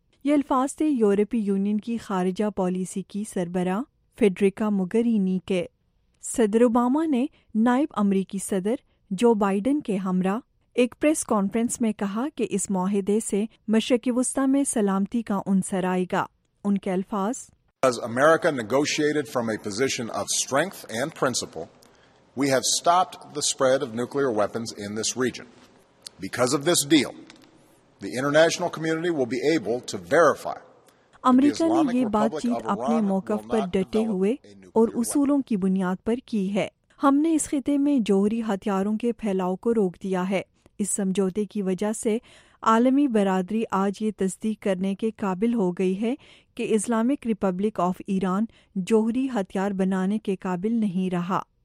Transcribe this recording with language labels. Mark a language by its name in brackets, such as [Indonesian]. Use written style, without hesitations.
[Urdu] یہ الفاظ تھے یورپی یونین کی خارجہ پالیسی کی سربراہ فیڈریکا موگرینی کے. صدر اوباما نے نائب امریکی صدر جو بائیڈن کے ہمراہ ایک پریس کانفرنس میں کہا کہ اس معاہدے سے مشرق وسطی میں سلامتی کا عنصر آئے گا. ان کے الفاظ، [English] As America negotiated from a position of strength and principle, we have stopped the spread of nuclear weapons in this region. Because of this deal, the international community will be able to verify. [Urdu] امریکہ نے یہ بات چیت اپنے موقف پر ڈٹے ہوئے اور اصولوں کی بنیاد پر کی ہے. ہم نے اس خطے میں جوہری ہتھیاروں کے پھیلاؤ کو روک دیا ہے. اس سمجھوتے کی وجہ سے عالمی برادری آج یہ تصدیق کرنے کے قابل ہو گئی ہے کہ اسلامک ریپبلک آف ایران جوہری ہتھیار بنانے کے قابل نہیں رہا.